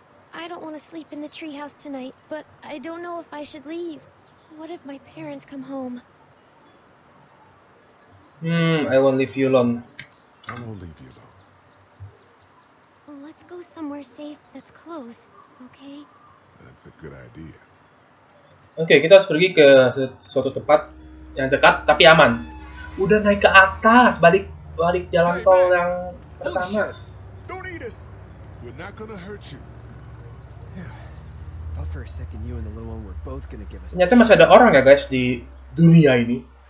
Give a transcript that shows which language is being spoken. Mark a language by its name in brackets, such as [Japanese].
[English] I don't want to sleep in the treehouse tonight, but I don't know if I should leave. What if my parents come home? I won't leave you alone. I won't leave you alone. Well, let's go somewhere safe that's close, okay? That's a good idea. [Indonesian] Okay, kita harus pergi ke suatu tempat yang dekat tapi aman. Udah naik ke atas, balik jalan tol yang pertama. [English] Don't eat us. We're not gonna hurt you. Yeah. For a second, you and the little one were both gonna give us. [Indonesian] Ternyata masih ada orang ya guys di dunia ini.